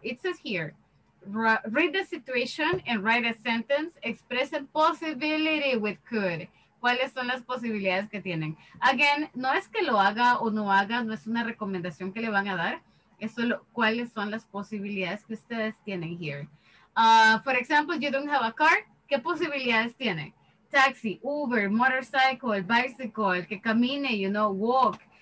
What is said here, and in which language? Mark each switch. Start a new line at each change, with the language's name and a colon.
English: It says here, read the situation and write a sentence. Express a possibility with could.
Spanish: ¿Cuáles son las posibilidades que tienen? Again, no es que lo haga o no haga, no es una recomendación que le van a dar. Es solo cuáles son las posibilidades que ustedes tienen here.
English: For example, you don't have a car.
Spanish: ¿Qué posibilidades tiene?
English: Taxi, Uber, motorcycle, bicycle,
Spanish: que camine,
English: you know, walk.